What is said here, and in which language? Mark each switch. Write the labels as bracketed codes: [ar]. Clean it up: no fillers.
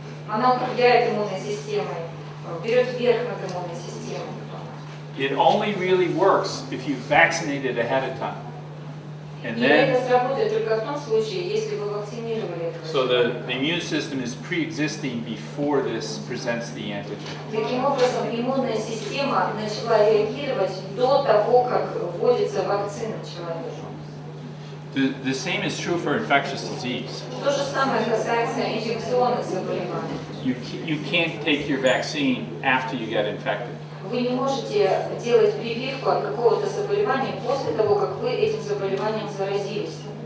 [ru] Она управляет иммунной системой. Берет верх над иммунной системой. [en] It only really works if you vaccinate it ahead of time. And then, so the immune system is pre-existing before this presents the antigen. [ru] Таким образом, иммунная система начала реагировать до того, как вводится вакцина человеку. [en] The same is true for infectious disease. [ru] То же самое касается инфекционных заболеваний. [en] You can't take your vaccine after you get infected. [ru] Вы не можете делать прививку от какого-то заболевания после того, как вы этим заболеванием заразились.